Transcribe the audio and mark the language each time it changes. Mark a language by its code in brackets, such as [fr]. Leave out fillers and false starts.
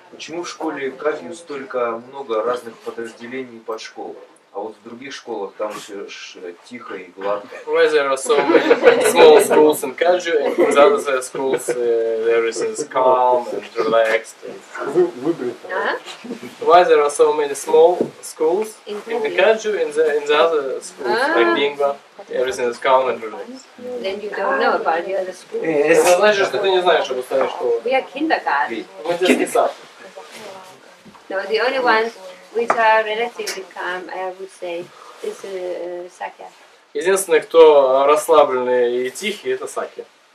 [ru] Почему в школе Kagyu столько много разных подразделений под школу? А вот в других школах там все тихо и гладко. [en] Why there are so many small schools in Kagyu, and in other schools everything is calm and relaxed. Why there are so many small schools in the Kagyu, in the other schools like Bingwa, everything is calm and relaxed. Then you don't know about the other schools. [ru] Это значит, что ты не знаешь об остальных школах. [en] We are kindergarten. [ru] Мы детский сад. [en] No, the only ones. Which are relatively calm, I would say, is Sakya. [ru] Единственные, кто расслабленные и тихие, это Sakya.